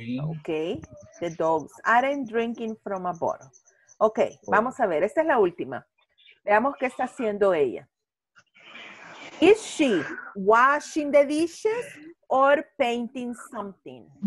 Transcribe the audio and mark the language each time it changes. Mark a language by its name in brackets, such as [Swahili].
[English] Okay, the dogs aren't drinking from a bottle. [Spanish] Okay, vamos a ver, esta es la última. Veamos qué está haciendo ella. [English] Is she washing the dishes or painting something?